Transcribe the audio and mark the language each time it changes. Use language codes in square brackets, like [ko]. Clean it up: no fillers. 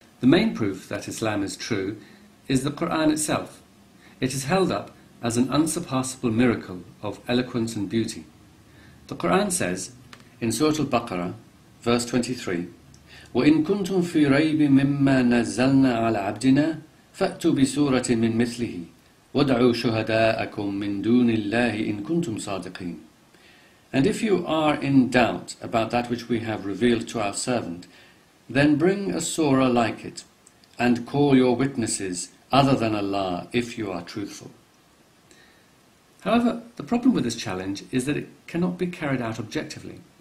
[en] The main proof that Islam is true is the Quran itself. It is held up as an unsurpassable miracle of eloquence and beauty. The Quran says in Surah Al-Baqarah, verse 23, [ar] وَإِن كُنْتُمْ فِي رَيْبٍ مِمَّا نَزَّلْنَا عَلَى عَبْدِنَا فَأْتُوا بِسُورَةٍ مِّنْ مِثْلِهِ وَدْعُوا شُهَدَاءَكُمْ مِنْ دُونِ اللَّهِ إِن كُنْتُمْ صَادِقِينَ. [en] And if you are in doubt about that which we have revealed to our servant, then bring a surah like it, and call your witnesses other than Allah if you are truthful. However, the problem with this challenge is that it cannot be carried out objectively.